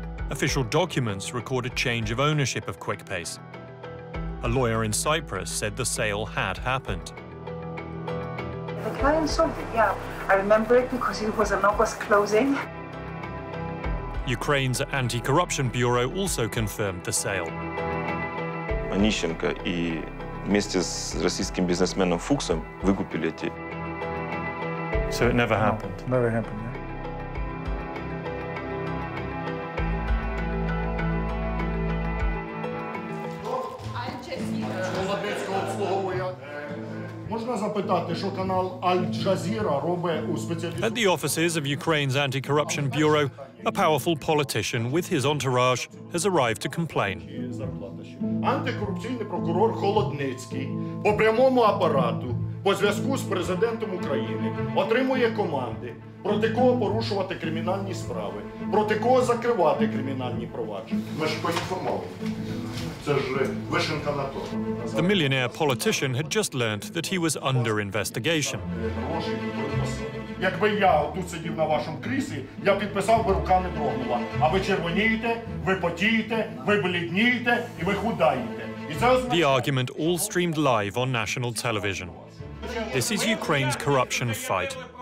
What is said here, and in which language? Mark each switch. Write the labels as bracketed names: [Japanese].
[English] Official documents record a change of ownership of QuickPace. A lawyer in Cyprus said the sale had happened. The client sold it, yeah. I remember it because it was an August closing. Ukraine's anti-corruption bureau also confirmed the sale. [Russian] Онищенко и вместе с российским бизнесменом Фуксом выкупили эти. [English] So it never happened. No, never happened. Yeah. At the offices of Ukraine's anti-corruption bureau, a powerful politician with his entourage has arrived to complain. [Ukrainian] Антикорупційний прокурор Холодницький по прямому апарату, по зв'язку з президентом України, отримує команди, проти кого порушувати кримінальні справи, проти кого закривати кримінальні провадження. Ми ж поінформували. [English] The millionaire politician had just learned that he was under investigation. [Ukrainian] якби я тут сидів на вашому кріслі, я підписав би, рука не дрогнула. А ви червонієте, ви потієте, ви бліднієте і ви худаєте. І це [English] The argument all streamed live on national television. This is Ukraine's corruption fight.